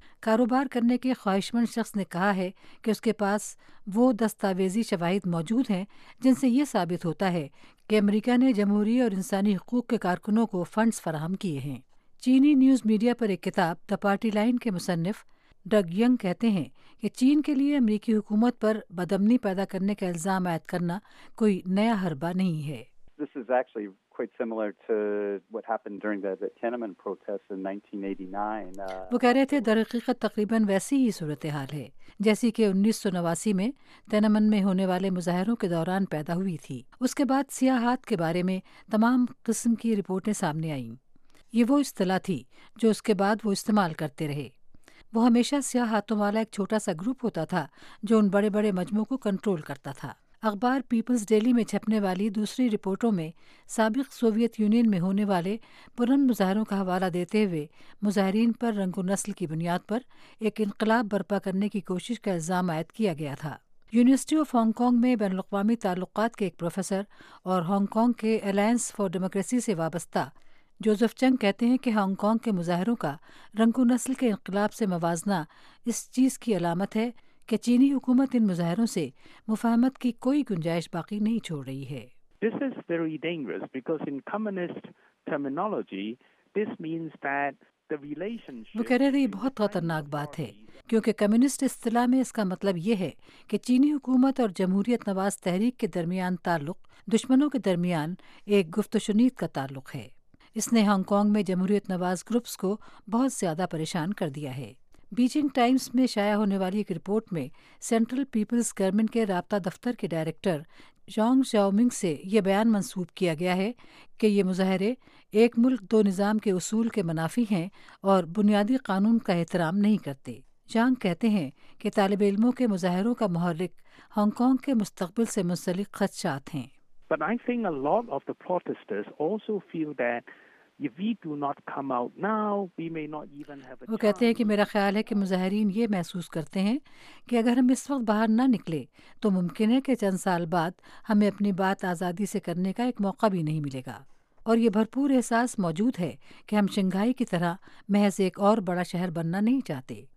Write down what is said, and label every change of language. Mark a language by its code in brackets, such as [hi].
[ur] کاروبار کرنے کے خواہش مند شخص نے کہا ہے کہ اس کے پاس وہ دستاویزی شواہد موجود ہیں جن سے یہ ثابت ہوتا ہے کہ امریکہ نے جمہوری اور انسانی حقوق کے کارکنوں کو فنڈز فراہم کیے ہیں۔ چینی نیوز میڈیا پر ایک کتاب دا پارٹی لائن کے مصنف ڈگ ینگ کہتے ہیں کہ چین کے لیے امریکی حکومت پر بدامنی پیدا کرنے کا الزام عائد کرنا کوئی نیا حربہ نہیں ہے۔ [en] This is actually quite similar to what happened during the Tiananmen protests in 1989. [ur] وہ کہہ رہے تھے درحقیقت تقریباً ویسی ہی صورتحال ہے جیسی کہ 1989 میں تینمن میں ہونے والے مظاہروں کے دوران پیدا ہوئی تھی۔ اس کے بعد سیاحت کے بارے میں تمام قسم کی رپورٹیں سامنے آئیں۔ یہ وہ اصطلاح تھی جو اس کے بعد وہ استعمال کرتے رہے۔ وہ ہمیشہ سیاہ ہاتھوں والا ایک چھوٹا سا گروپ ہوتا تھا جو ان بڑے بڑے مجموعوں کو کنٹرول کرتا تھا۔ اخبار پیپلز ڈیلی میں چھپنے والی دوسری رپورٹوں میں سابق سوویت یونین میں ہونے والے پرن مظاہروں کا حوالہ دیتے ہوئے مظاہرین پر رنگ و نسل کی بنیاد پر ایک انقلاب برپا کرنے کی کوشش کا الزام عائد کیا گیا تھا۔ یونیورسٹی آف ہانگ کانگ میں بین الاقوامی تعلقات کے ایک پروفیسر اور ہانگ کانگ کے الائنس فار ڈیموکریسی سے وابستہ جوزف چنگ کہتے ہیں کہ ہانگ کانگ کے مظاہروں کا رنگو نسل کے انقلاب سے موازنہ اس چیز کی علامت ہے کہ چینی حکومت ان مظاہروں سے مفاہمت کی کوئی گنجائش باقی نہیں چھوڑ رہی ہے. [en] This is very dangerous because in communist terminology this means that the relationship. [ur] وہ کہہ رہے ہیں یہ بہت خطرناک بات ہے کیونکہ کمیونسٹ اصطلاح میں اس کا مطلب یہ ہے کہ چینی حکومت اور جمہوریت نواز تحریک کے درمیان تعلق دشمنوں کے درمیان ایک گفت و شنید کا تعلق ہے. اس نے ہانگ کانگ میں جمہوریت نواز گروپس کو بہت زیادہ پریشان کر دیا ہے. بیجنگ ٹائمز میں شائع ہونے والی ایک رپورٹ میں سینٹرل پیپلز گورنمنٹ کے رابطہ دفتر کے ڈائریکٹر جانگ شاؤمنگ سے یہ بیان منسوب کیا گیا ہے کہ یہ مظاہرے ایک ملک دو نظام کے اصول کے منافی ہیں اور بنیادی قانون کا احترام نہیں کرتے. جانگ کہتے ہیں کہ طالب علموں کے مظاہروں کا محرک ہانگ کانگ کے مستقبل سے منسلک خدشات ہیں. [en] But I think a lot of the protesters also feel that if we do not come out now, we may not even have a chance. [ur] وہ کہتے ہیں کہ میرا خیال ہے کہ مظاہرین یہ محسوس کرتے ہیں کہ اگر ہم اس وقت باہر نہ نکلے تو ممکن ہے کہ چند سال بعد ہمیں اپنی بات آزادی سے کرنے کا ایک موقع بھی نہیں ملے گا. اور یہ بھرپور احساس موجود ہے کہ ہم شنگھائی کی طرح محض ایک اور بڑا شہر بننا نہیں چاہتے.